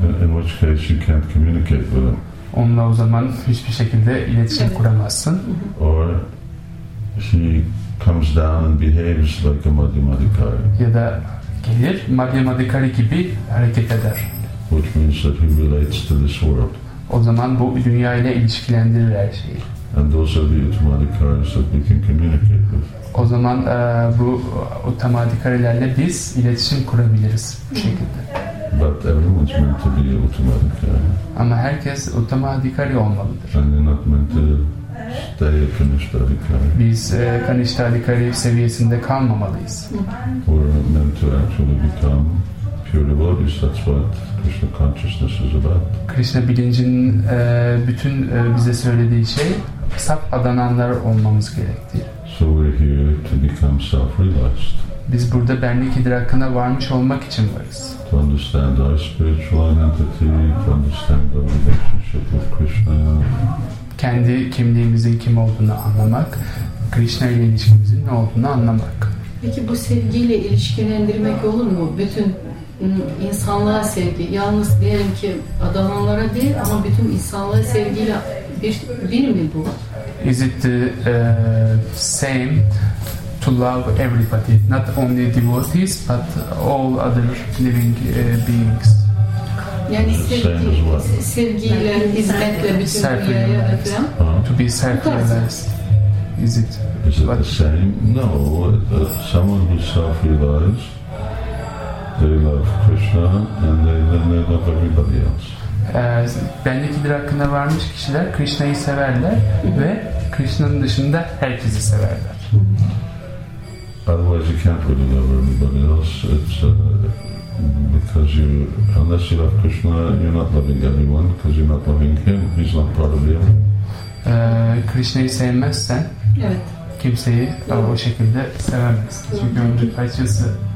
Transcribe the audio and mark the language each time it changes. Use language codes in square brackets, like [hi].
[en] In which case you can't communicate with him. [tr] Onunla o zaman hiçbir şekilde iletişim kuramazsın. [en] Or he comes down and behaves like a madhyamadhikari. [tr] Ya da gelir madhyamadhikari gibi hareket eder. [en] Which means that he relates to this world. [tr] O zaman bu dünya ile ilişkilendirir her şeyi. [en] And those are the utamadhikaris that we can communicate with. [tr] O zaman bu utamadhikarilerle biz iletişim kurabiliriz bu şekilde. [en] But everyone's meant to be utamadhikari. [tr] Ama herkes utamadhikari olmalıdır. [en] And you're not meant to stay at Kanishta Adhikari. [tr] Biz Kanishta Adhikari seviyesinde kalmamalıyız. [en] We're meant to actually become pure devotees. That's what Krishna consciousness is about. [tr] Krishna bilincinin bütün bize söylediği şey saf adananlar olmamız gerektiği. [en] So we're here to become self-realized. [tr] Biz burada benlik idrakına varmış olmak için varız. [en] To understand our spiritual identity, to understand our relationship with Krishna. [tr] Kendi kimliğimizin kim olduğunu anlamak, Krishna ile ilişkimizin ne olduğunu anlamak. Peki bu sevgiyle ilişkilendirmek olur mu? Bütün insanlığa sevgi, yalnız diyelim ki adamlara değil ama bütün insanlığa sevgiyle bir mi bu? [en] Is it the same to love everybody, not only devotees but all other living beings? [tr] Yani sevgiyle, hizmetle, bütün dünyaya [en] to be self-realized. Is it? Is it the same? No. Someone who's self-realized, they love Krishna and they love everybody else. [tr] Benlik idrakına varmış kişiler Krishna'yı severler ve Krishna'nın dışında herkesi severler. [en] Otherwise you can't really love everybody else. It's because you, unless you love Krishna, you're not loving everyone. Because you're not loving him, he's not part of you. [tr] Krishna'yı sevmezsen, evet. Kimseyi o şekilde sevemezsin. Çünkü onun parçası.